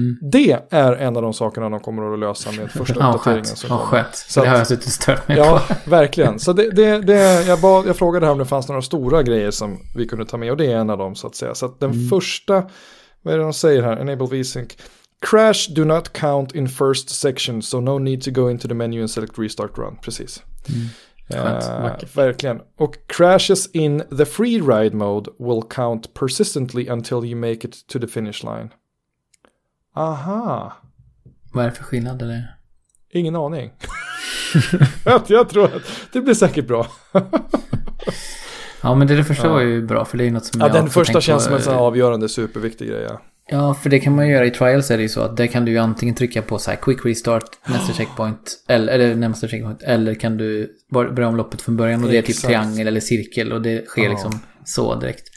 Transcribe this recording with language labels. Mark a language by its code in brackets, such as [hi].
[sv] Det är en av de sakerna de kommer att lösa med första uppdateringen. Så det har jag suttit stört med. Ja, verkligen. Så jag frågade här om det fanns några stora grejer som vi kunde ta med, och det är en av dem så att säga. Så att den första, vad är det de säger här? [en] Enable VSync. Crash do not count in first section, so no need to go into the menu and select restart run. [sv] Precis. Verkligen. Och [en] crashes in the free ride mode will count persistently until you make it to the finish line. [sv] Aha. Vad är det för skillnad eller? Ingen aning. Jag tror att det blir säkert bra. Ja, men det första var ju bra, för det är något som Den första känns som en sån avgörande superviktig grej. Ja, för det kan man ju göra i trials, är det ju så att där kan du ju antingen trycka på så här quick restart, nästa checkpoint, eller nästa checkpoint, eller kan du börja om loppet från början, och det är typ triangel eller cirkel, och det sker liksom så direkt.